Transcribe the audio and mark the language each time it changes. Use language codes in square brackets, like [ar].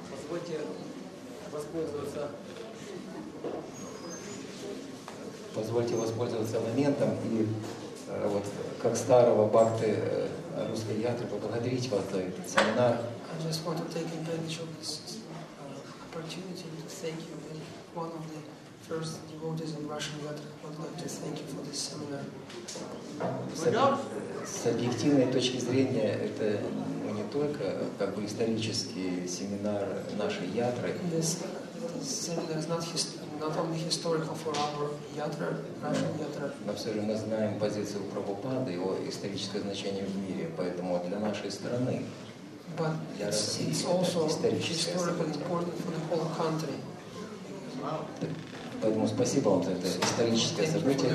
[ru] можете воспользоваться. Позвольте воспользоваться моментом и вот как старого бхакты русской ятры поблагодарить вас за этот семинар. [en] I just want to take advantage of this opportunity to thank you. And one of the first devotees in Russian ятры would like to thank you for this seminar. [ru] С объективной точки зрения, это не только как бы исторический семинар нашей ятры. [en] This seminar is not history. Not only historical for our yatra, Russian yatra. [ru] Но все же мы знаем позицию Прабхупады, его историческое значение в мире, поэтому для нашей страны, [en] but [ru] для России, [en] it's also historically important for the whole country. Wow. [ru] Поэтому спасибо вам за это историческое событие,